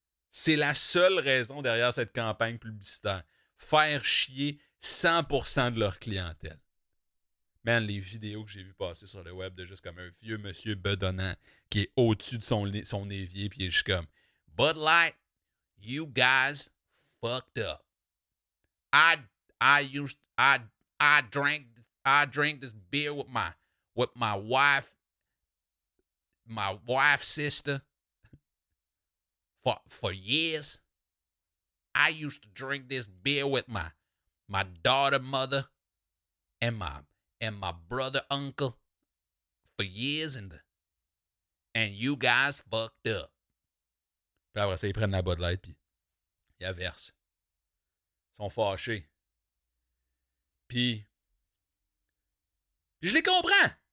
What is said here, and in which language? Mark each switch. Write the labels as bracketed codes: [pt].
[fr] C'est la seule raison derrière cette campagne publicitaire. Faire chier 100% de leur clientèle. Man, les vidéos que j'ai vues passer sur le web de juste comme un vieux monsieur bedonnant qui est au-dessus de son évier, puis il est juste comme [en] « Bud Light, you guys fucked up. I drank this beer with my wife's sister for years. I used to drink this beer with my daughter mother and my brother uncle for years and you guys fucked up. [fr] Puis après ça, ils prennent la Bud Light puis ils versent. Ils sont fâchés. Puis je les comprends.